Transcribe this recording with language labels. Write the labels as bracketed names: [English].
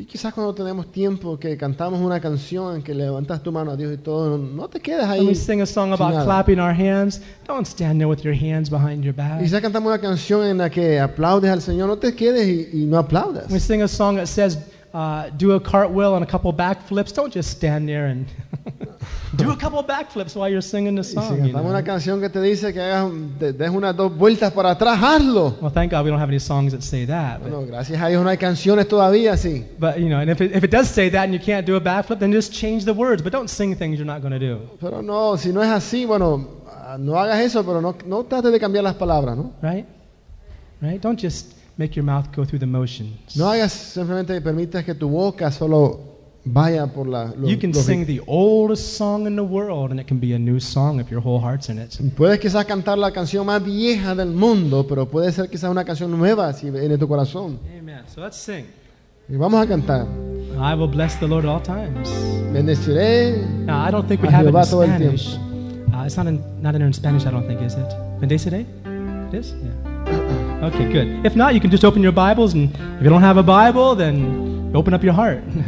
[Spanish] Y quizás cuando tenemos tiempo que cantamos una canción en que levantas tu mano a Dios y todo, no te quedes ahí. [English] When we sing a song about [Spanish] nada. [English] Clapping our hands, don't stand there with your hands behind your back. [Spanish] Y quizás cantamos una canción en la que aplaudes al Señor, no te quedes y no aplaudas. [English] When we sing a song that says do a cartwheel and a couple backflips. Don't just stand there and do a couple backflips while you're singing the song. [Spanish] Si cantamos una canción que te dice que hagas des unas dos vueltas para atrás, hazlo. [English] Well, thank God we don't have any songs that say that. [Spanish] No, gracias a Dios no hay canciones todavía, sí. [English] But you know, and if it does say that and you can't do a backflip, then just change the words. But don't sing things you're not going to do. [Spanish] Pero no, si no es así, bueno, no hagas eso. Pero no trates de cambiar las palabras, ¿no? [English] Right. Don't just make your mouth go through the motions. [Spanish] No hagas simplemente permitas que tu boca solo vaya por la. [English] You can sing the oldest song in the world, and it can be a new song if your whole heart's in it. [Spanish] Puedes quizás cantar la canción más vieja del mundo, pero puede ser quizás una canción nueva si viene tu corazón. [English] Amen. So let's sing. [Spanish] Y vamos a cantar. [English] I will bless the Lord at all times. [Spanish] Bendeciré. [English] Now I don't think we have it in Spanish. It's not in Spanish. I don't think is it. Bendeciré. It is. Yeah. Okay, good. If not, you can just open your Bibles, and if you don't have a Bible, then open up your heart.